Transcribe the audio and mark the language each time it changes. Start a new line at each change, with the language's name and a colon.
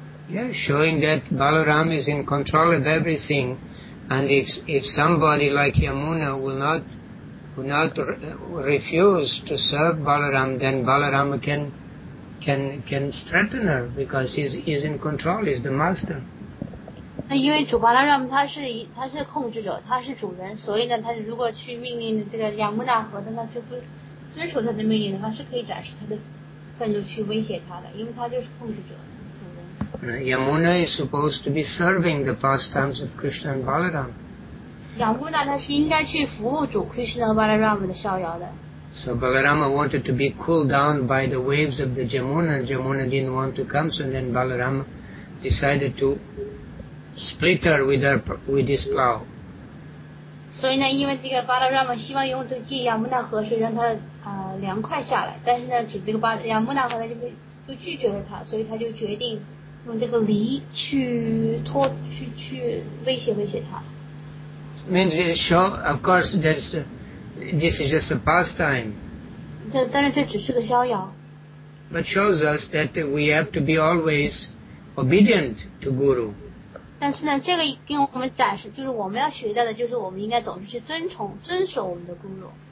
English: Yeah, showing that Balaram is in control of everything. And if somebody like Yamuna will not refuse to serve Balaram, then Balaram can threaten her because he's in control, he's the master.
Chinese: 那因为主巴拉让他是控制者，他是主人，所以呢，他如果去命令这个亚穆纳河的，那就不遵守他的命令的话，是可以展示他的愤怒去威胁他的，因为他就是控制者，主人。
English: Yamuna is supposed to be serving the pastimes of Krishna and Balaram.
Chinese: 亚穆纳他是应该去服务主 Krishna 和 Balaram 的逍遥的。
English: So Balarama wanted to be cooled down by the waves of the Yamuna. Yamuna didn't want to come, so then Balarama decided to. Split her with his plow. So, in that, because this Balaram wants to use this Ji Yamuna River to let her cool down, but this Yamuna River refuses to let her, so he decided to use this rope to threaten her. Means it show, of course, that's this is just a pastime. But this is just a pastime. But shows us that we have to be always obedient to Guru.
Chinese: 但是呢，这个给我们展示，就是我们要学到的，就是我们应该总是去遵守我们的 guru。